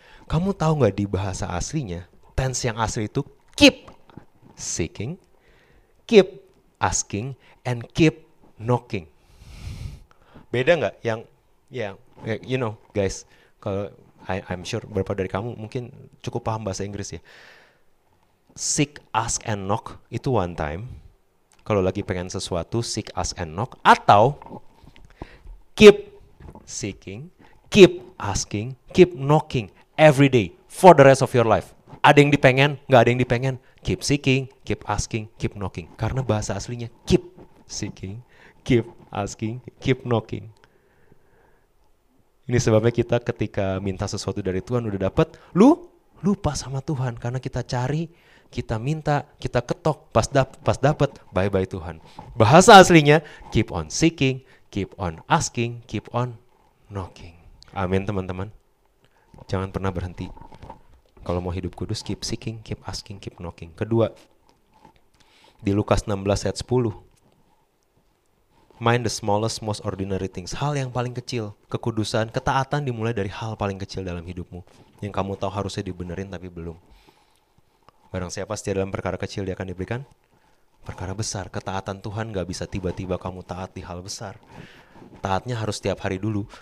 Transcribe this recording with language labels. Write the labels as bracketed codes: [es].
[id] Kamu tahu gak di bahasa aslinya, tense yang asli itu [en] keep seeking, keep asking, and keep knocking. [id] Beda gak yang [en] you know guys, [id] kalau [en] I'm sure [id] beberapa dari kamu mungkin cukup paham bahasa Inggris ya. [en] Seek, ask, and knock itu one time. [id] Kalau lagi pengen sesuatu, [en] seek, ask, and knock. [id] Atau [en] keep seeking, keep asking, keep knocking every day for the rest of your life. [id] Ada yang dipengen, nggak ada yang dipengen. [en] Keep seeking, keep asking, keep knocking. [id] Karena bahasa aslinya [en] keep seeking, keep asking, keep knocking. [id] Ini sebabnya kita ketika minta sesuatu dari Tuhan udah dapet, lu lupa sama Tuhan karena kita cari, kita minta, kita ketok, pas dapet, bye-bye Tuhan. Bahasa aslinya, [en] keep on seeking, keep on asking, keep on knocking. [id] Amin teman-teman. Jangan pernah berhenti. Kalau mau hidup kudus, [en] keep seeking, keep asking, keep knocking. [id] Kedua, di Lukas 16 ayat 10. [en] Mind the smallest, most ordinary things. [id] Hal yang paling kecil, kekudusan, ketaatan dimulai dari hal paling kecil dalam hidupmu. Yang kamu tahu harusnya dibenerin tapi belum. Barang siapa setia dalam perkara kecil, dia akan diberikan perkara besar. Ketaatan Tuhan gak bisa tiba-tiba kamu taat di hal besar. Taatnya harus setiap hari dulu.